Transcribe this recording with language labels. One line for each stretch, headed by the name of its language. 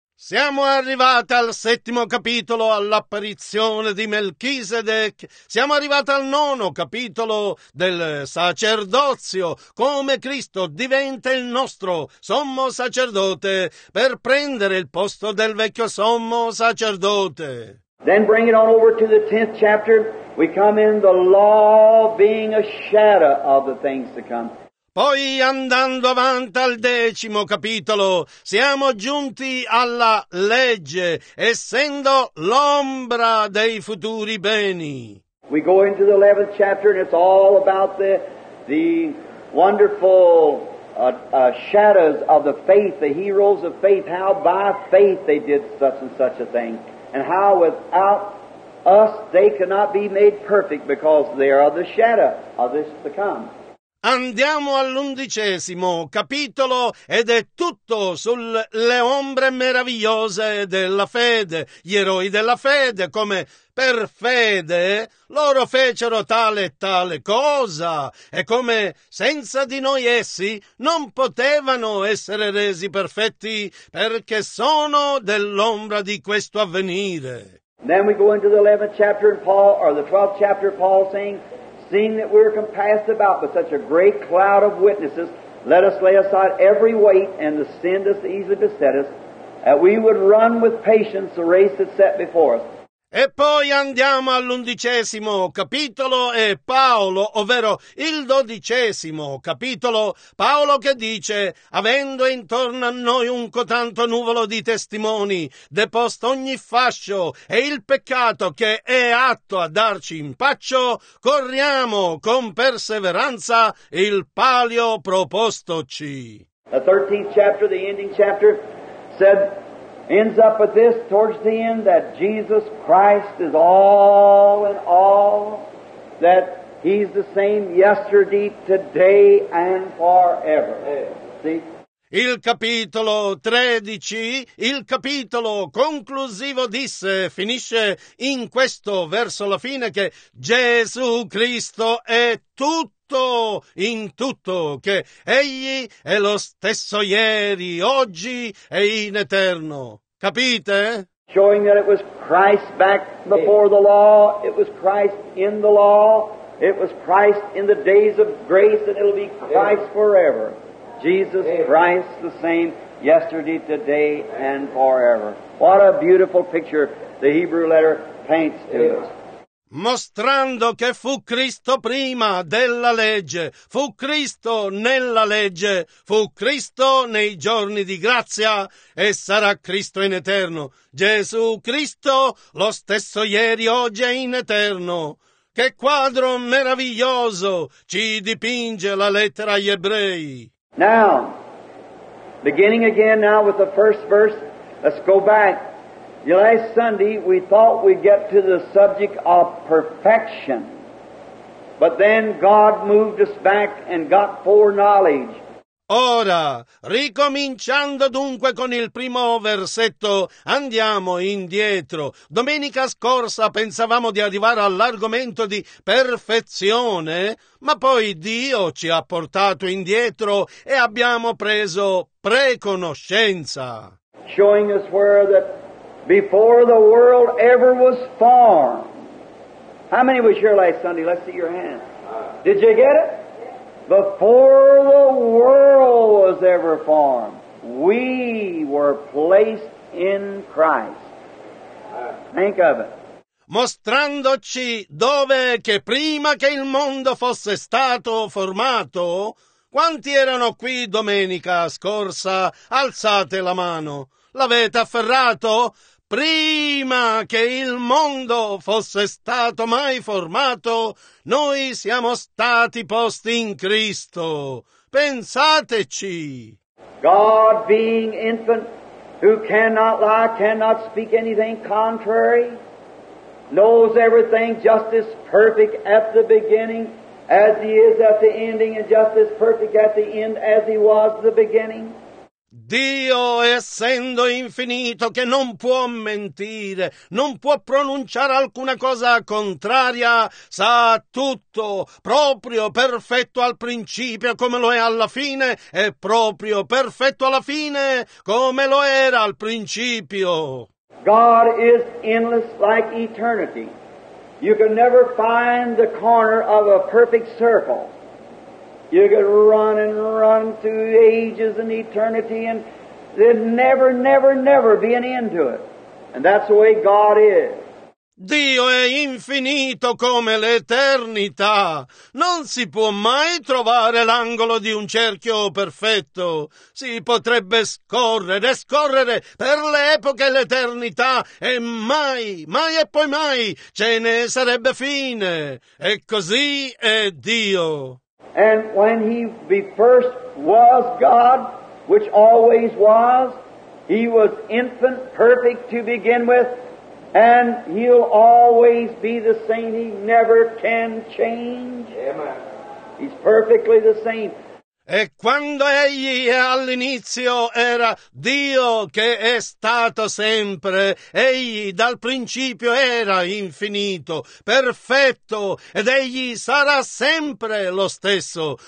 Italian: Siamo arrivati al settimo capitolo, all'apparizione di Melchisedec. Siamo arrivati al nono capitolo del sacerdozio, come Cristo diventa il nostro sommo sacerdote per prendere il posto del vecchio sommo sacerdote.
English: Then bring it on over to the tenth chapter. We come in the law being a shadow of the things to come.
Italian: Poi, andando avanti al decimo capitolo, siamo giunti alla legge, essendo l'ombra dei futuri beni.
English: We go into the 11th chapter and it's all about the wonderful shadows of the faith, the heroes of faith, how by faith they did such and such a thing, and how without us they cannot be made perfect because they are the shadow of this to come.
Italian: Andiamo all'undicesimo capitolo ed è tutto sulle ombre meravigliose della fede, gli eroi della fede, come per fede loro fecero tale e tale cosa e come senza di noi essi non potevano essere resi perfetti perché sono dell'ombra di questo avvenire.
English: Then we go into the 11th chapter of Paul, or the 12th chapter of Paul saying, seeing that we are compassed about with such a great cloud of witnesses, let us lay aside every weight and the sin that easily beset us, that we would run with patience the race that's set before us.
Italian: E poi andiamo all'undicesimo capitolo e Paolo, ovvero il dodicesimo capitolo, Paolo che dice, avendo intorno a noi un cotanto nuvolo di testimoni, deposto ogni fascio e il peccato che è atto a darci impaccio, corriamo con perseveranza il palio propostoci.
English: The 13th chapter, the ending chapter, said, ends up with this towards the end that Jesus Christ is all in all, that He's the same yesterday, today, and forever. See?
Italian: Il capitolo 13, il capitolo conclusivo disse, finisce in questo verso la fine che Gesù Cristo è tutto in tutto, che Egli è lo stesso ieri, oggi e in eterno. Capite?
English: Showing that it was Christ back before the law, it was Christ in the law, it was Christ in the days of grace, and it'll be Christ forever. Jesus Christ the same yesterday, today, and forever. What a beautiful picture the Hebrew letter paints to us.
Italian: Mostrando che fu Cristo prima della legge, fu Cristo nella legge, fu Cristo nei giorni di grazia e sarà Cristo in eterno. Gesù Cristo lo stesso ieri, oggi e in eterno. Che quadro meraviglioso ci dipinge la lettera agli ebrei.
English: Now, beginning again now with the first verse, let's go back. The last Sunday, we thought we'd get to the subject of perfection. But then God moved us back and got foreknowledge.
Italian: Ora, ricominciando dunque con il primo versetto, andiamo indietro. Domenica scorsa pensavamo di arrivare all'argomento di perfezione, ma poi Dio ci ha portato indietro e abbiamo preso preconoscenza.
English: Showing us where that before the world ever was formed. How many was here last Sunday? Let's see your hand. Did you get it? Before the world was ever formed, we were placed in Christ. Think of it.
Italian: Mostrandoci dove che prima che il mondo fosse stato formato, quanti erano qui domenica scorsa? Alzate la mano. L'avete afferrato? Prima che il mondo fosse stato mai formato, noi siamo stati posti in Cristo. Pensateci!
English: God being infant, who cannot lie, cannot speak anything contrary, knows everything just as perfect at the beginning as He is at the ending, and just as perfect at the end as He was at the beginning.
Italian: Dio, essendo infinito, che non può mentire, non può pronunciare alcuna cosa contraria, sa tutto, proprio perfetto al principio come lo è alla fine, e proprio perfetto alla fine come lo era al principio.
English: God is endless like eternity. You can never find the corner of a perfect circle. You could run and run through ages and eternity and there'd never, never, never be an end to it. And that's the way God is.
Italian: Dio è infinito come l'eternità. Non si può mai trovare l'angolo di un cerchio perfetto. Si potrebbe scorrere, scorrere per le epoche e l'eternità e mai, mai e poi mai ce ne sarebbe fine. E così è Dio.
English: And when he be first was God, which always was, he was infant, perfect to begin with, and he'll always be the same. He never can change. Amen. He's perfectly the same.
Italian: E quando egli all'inizio era Dio che è stato sempre, egli dal principio era infinito, perfetto, ed egli sarà sempre lo stesso.